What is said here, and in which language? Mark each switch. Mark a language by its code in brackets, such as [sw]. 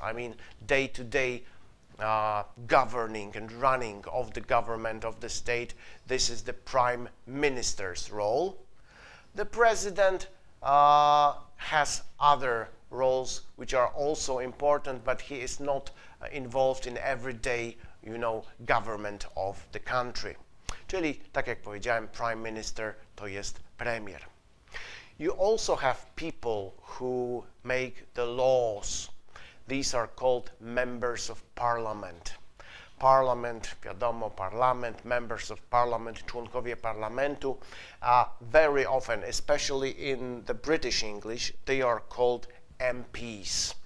[en] I mean, day-to-day governing and running of the government of the state, this is the prime minister's role. The president has other roles which are also important, but he is not involved in everyday, you know, government of the country. [pl] Czyli, tak jak powiedziałem, prime minister to jest premier. [en] You also have people who make the laws. These are called members of parliament. parliament, wiadomo, parliament, members of parliament, [pl] członkowie parlamentu, [en] very often, especially in the British English, they are called MPs.